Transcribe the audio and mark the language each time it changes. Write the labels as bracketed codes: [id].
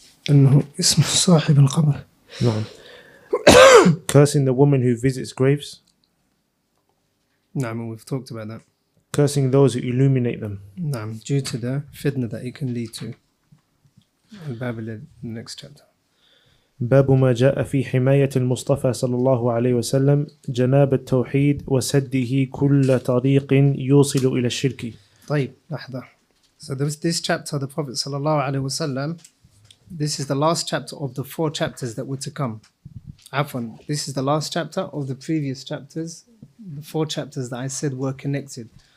[ar] أنه اسم صاحب القبر. نعم. [en] Cursing the woman who visits graves. [ar] نعم, [en] we've talked about that. Cursing those who illuminate them. [ar] نعم, [en] due to the fitna that it can lead to. The next chapter. [ar] باب ما جاء في حماية المصطفى صلى الله عليه وسلم جناب التوحيد وسده كل طريق يوصل إلى الشرك. طيب لحظة. [en] So there was this chapter, the Prophet [ar] صلى الله عليه وسلم. [en] This is the last chapter of the four chapters that were to come. Afwan, this is the last chapter of the previous chapters. The four chapters that I said were connected.